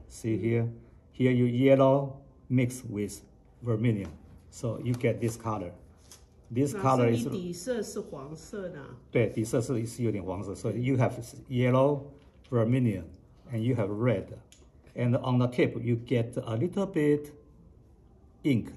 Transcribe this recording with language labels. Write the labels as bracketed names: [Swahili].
[English] See here, here you yellow mix with vermilion, so you get this color. This color is [Chinese] 底色是黄色的，对，底色是有点黄色。 [English] So you have yellow, vermilion, and you have red. And on the tip, you get a little bit ink.